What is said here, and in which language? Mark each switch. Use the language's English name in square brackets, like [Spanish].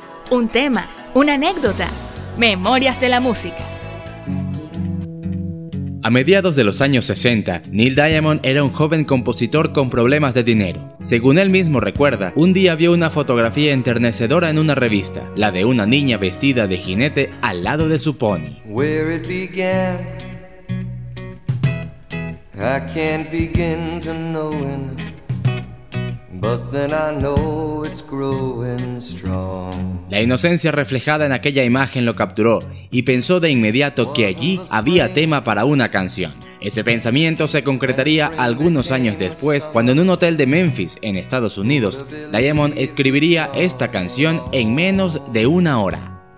[Spanish] Un tema, una anécdota, memorias de la música. A mediados de los años 60, Neil Diamond era un joven compositor con problemas de dinero. Según él mismo recuerda, un día vio una fotografía enternecedora en una revista, la de una niña vestida de jinete al lado de su pony. [English] Where it began, I can't begin to knowin', but then I know it's growing strong. [Spanish] La inocencia reflejada en aquella imagen lo capturó y pensó de inmediato que allí había tema para una canción. Ese pensamiento se concretaría algunos años después, cuando en un hotel de Memphis, en Estados Unidos, Diamond escribiría esta canción en menos de una hora.